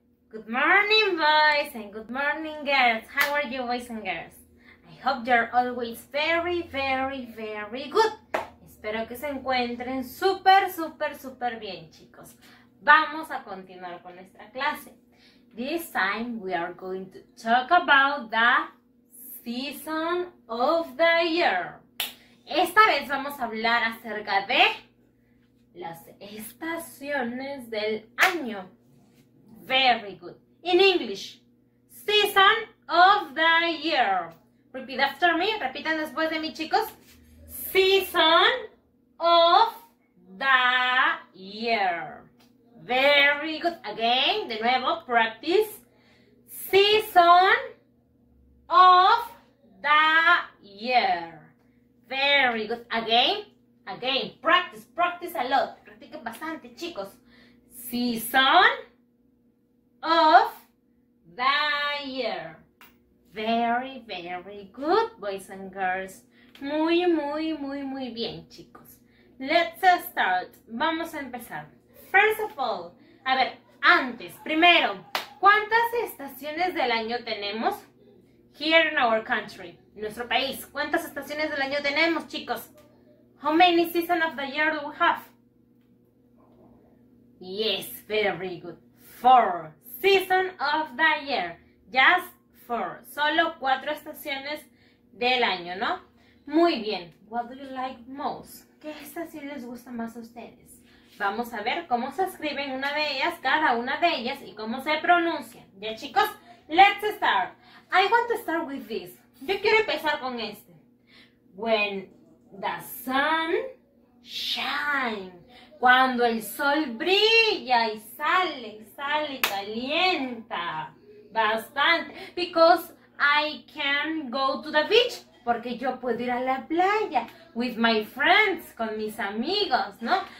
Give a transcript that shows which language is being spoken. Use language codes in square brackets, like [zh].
[en] Good morning, boys and good morning, girls. How are you, boys and girls? I hope you're always very, very, very good. [es] Espero que se encuentren súper, súper, súper bien, chicos. Vamos a continuar con nuestra clase. [en] This time we are going to talk about the season of the year. [es] Esta vez vamos a hablar acerca de las estaciones del año. [en] Very good. In English, season of the year. Repeat after me. [es] Repitan después de mí, chicos. [en] Season of the year. Very good. Again, [es] de nuevo, [en] practice. Season of the year. Very good. Again, again. Practice, practice a lot. [es] Practiquen bastante, chicos. [en] Season of the year. Very, very good, boys and girls. [es] Muy, muy, muy, muy bien, chicos. [en] Let's start. [es] Vamos a empezar. [en] First of all, [es] a ver, antes, primero, ¿cuántas estaciones del año tenemos [en] here in our country, [es] en nuestro país? ¿Cuántas estaciones del año tenemos, chicos? [en] How many seasons of the year do we have? Yes, very good. Four. Season of the year, just four, [es] solo cuatro estaciones del año, ¿no? Muy bien, [en] what do you like most? [es] ¿Qué estación les gusta más a ustedes? Vamos a ver cómo se escriben una de ellas, cada una de ellas, y cómo se pronuncian. ¿Ya, chicos? [en] Let's start. I want to start with this. [es] Yo quiero empezar con este. [en] When the sun shines. [es] Cuando el sol brilla y sale, sale, calienta bastante. [en] Because I can go to the beach. [es] Porque yo puedo ir a la playa [en] with my friends, [es] con mis amigos, ¿no?